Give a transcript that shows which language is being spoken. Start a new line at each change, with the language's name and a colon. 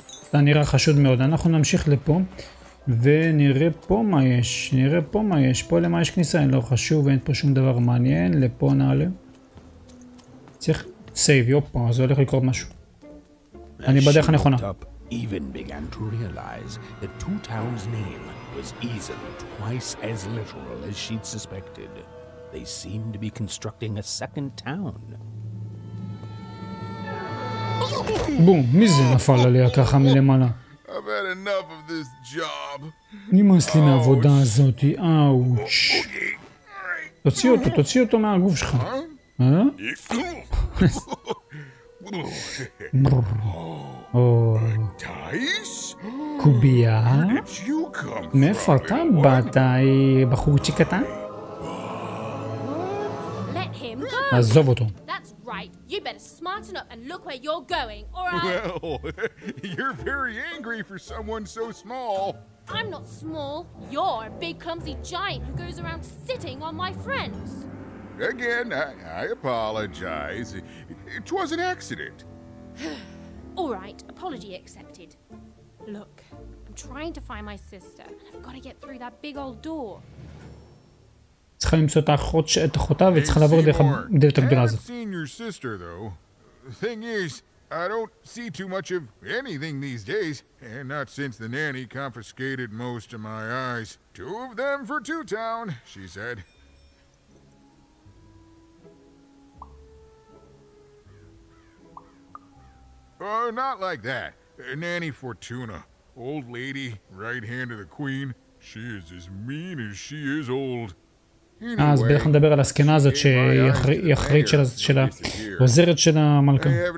Hebrew: אתה נראה חשוד מאוד, אנחנו נמשיך לפה, ונראה פה מה יש, פה למה יש כניסה, אין לו חשוב, אין פה שום דבר מעניין, לפה נעלה. צריך... סייב, יופה, זה הולך לקרות משהו. אני בדרך הנכונה.
English: Even began to realize that two towns' name was easily twice as literal as she'd suspected. They seemed to be constructing a second town.
Hebrew: בום, מי זה נפל עליה ככה מלמעלה?
English: I've had enough of this job.
Hebrew: נמאס לי מהעבודה הזאת, אוש. תוציא אותו מהגוף שלך. אה? טייס? קוביה? מאיפה אתה באת, בחורצ'י קטן? עזוב אותו.
English: Right, you better smarten up and look where you're going, or I... Well, you're very angry for someone so small. I'm not small. You're a big clumsy giant who goes around sitting on my friends. Again, I apologize. It was an accident. All right, apology accepted. Look, I'm trying to find my sister, and I've got to get through that big old door.
Hebrew: צריכה למצוא את האחות שאת אחותה וצריכה לעבור דרך הדלת הגדולה הזאת.
English: I haven't seen your sister though. Thing is, I don't see too much of anything these days, and not since the nanny confiscated most of my eyes. Two of them for two town, she said. Oh, not like that. Nanny Fortuna, old lady, right hand of the queen. She is as mean as she is old.
Hebrew: אז בדרך נדבר על הסקנה הזאת שהיא אחרית של העוזרת של המלכה.